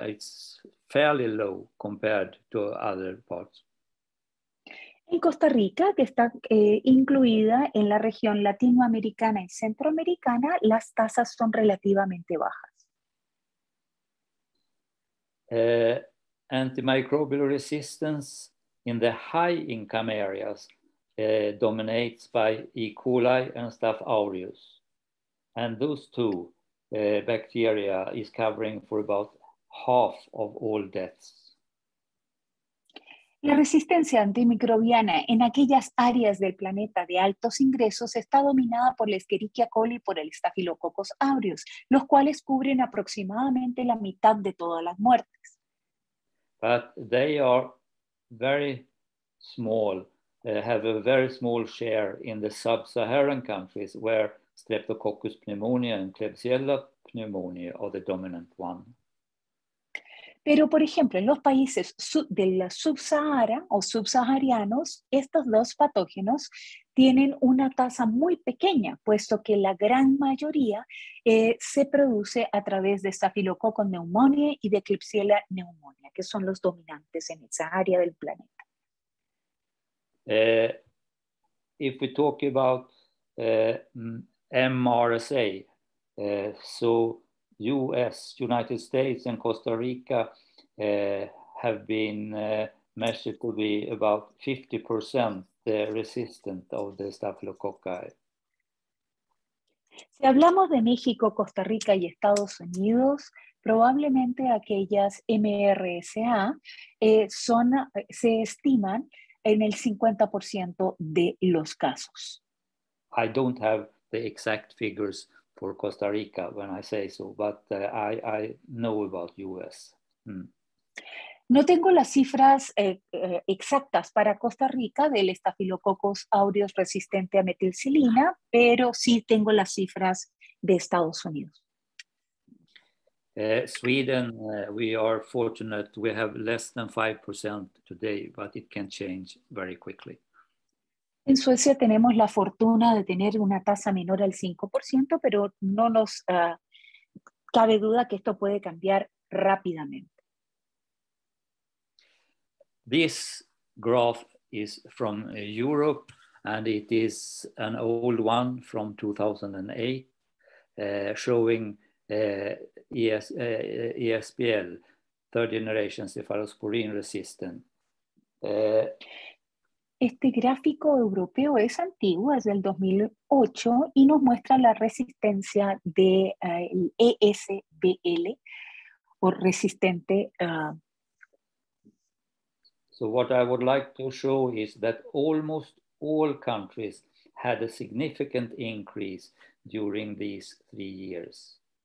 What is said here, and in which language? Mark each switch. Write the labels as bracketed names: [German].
[English] It's fairly low compared to other parts. [Spanish] En Costa Rica, que está incluida en la región latinoamericana y centroamericana, las tasas son relativamente bajas. [English] Antimicrobial resistance in the high-income areas dominates by E. coli and Staph aureus. And those two bacteria is covering for about half of all deaths. [Spanish] La resistencia antimicrobiana en aquellas áreas del planeta de altos ingresos está dominada por la Escherichia coli y por el Staphylococcus aureus, los cuales cubren aproximadamente la mitad de todas las muertes. [English] But they are very small, have a very small share in the sub-Saharan countries where Streptococcus pneumonia and Klebsiella pneumonia are the dominant one. [Spanish] Pero, por ejemplo, en los países de la subsahara o subsaharianos, estos dos patógenos tienen una tasa muy pequeña, puesto que la gran mayoría se produce a través de Staphylococcus pneumonia y de Klebsiella pneumonia, que son los dominantes en esa área del planeta. [English] If we talk about MRSA, so US, United States, and Costa Rica have been measured to be about 50% resistant of the staphylococci. [Spanish] Si hablamos de México, Costa Rica y Estados Unidos, probablemente aquellas MRSA se estiman en el 50% de los casos. [English] I don't have the exact figures for Costa Rica when I say so, but I know about US. [Spanish] No tengo las cifras exactas para Costa Rica del Staphylococcus aureus resistente a meticilina, pero sí tengo las cifras de Estados Unidos. [English] Sweden, we are fortunate, we have less than 5% today, but it can change very quickly. [Spanish] En Suecia tenemos la fortuna de tener una tasa menor al 5%, pero no nos cabe duda que esto puede cambiar rápidamente. [English] This graph is from Europe, and it is an old one from 2008, showing ESBL, third generation cephalosporin resistant. [Spanish] Este gráfico europeo es antiguo, es del 2008, y nos muestra la resistencia de el ESBL, o resistente. [English] So what I would like to show is that almost all countries had a significant increase during these 3 years.